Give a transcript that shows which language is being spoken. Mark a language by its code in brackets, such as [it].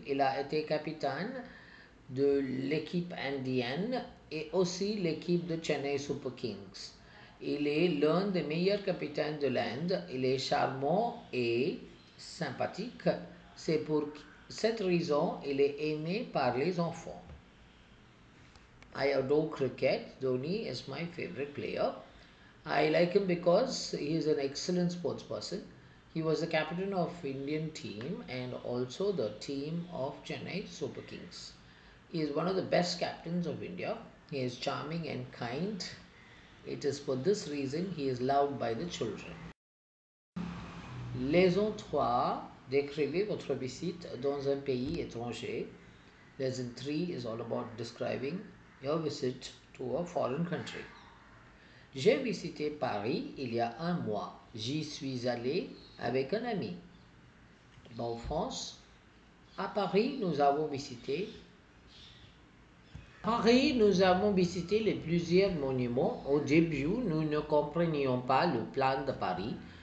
[fr] Il a été capitaine de l'équipe indienne et aussi l'équipe de Chennai Super Kings. Il est l'un des meilleurs capitaines de l'Inde. Il est charmant et sympathique. C'est pour cette raison qu'il est aimé par les enfants. [en] I adore cricket. Dhoni is my favorite player. I like him because he is an excellent sports person. He was the captain of Indian team and also the team of Chennai Super Kings. He is one of the best captains of India. He is charming and kind. It is for this reason he is loved by the children. Lesson 3. [fr] Décrivez votre visite dans un pays étranger. [en] Lesson 3 is all about describing your visit to a foreign country. [fr] J'ai visité Paris il y a un mois. J'y suis allé avec un ami. En France, à Paris, nous avons visité les plusieurs monuments. Au début, nous ne comprenions pas le plan de Paris.